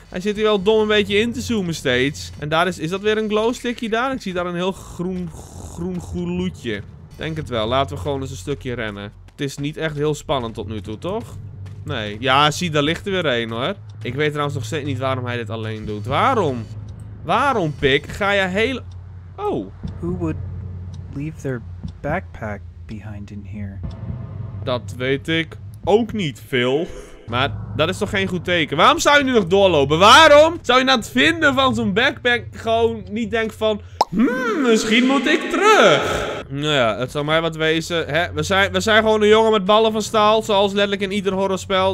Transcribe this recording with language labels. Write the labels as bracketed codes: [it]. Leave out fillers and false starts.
[nl] Hij zit hier wel dom een beetje in te zoomen steeds. En daar is dat weer een glowstickje daar? Ik zie daar een heel groen gloedje. Denk het wel. Laten we gewoon eens een stukje rennen. Het is niet echt heel spannend tot nu toe, toch? Nee. Ja, zie, daar ligt er weer een, hoor. Ik weet trouwens nog steeds niet waarom hij dit alleen doet. Waarom? Waarom, Pik? Ga je heel... Oh. [en] Who would leave their backpack behind in here? [nl] Dat weet ik ook niet, Phil. Maar dat is toch geen goed teken? Waarom zou je nu nog doorlopen? Waarom zou je na het vinden van zo'n backpack gewoon niet denken van... misschien moet ik terug. Nou ja, het zou mij wat wezen. Hè? We zijn gewoon een jongen met ballen van staal. Zoals letterlijk in ieder horrorspel.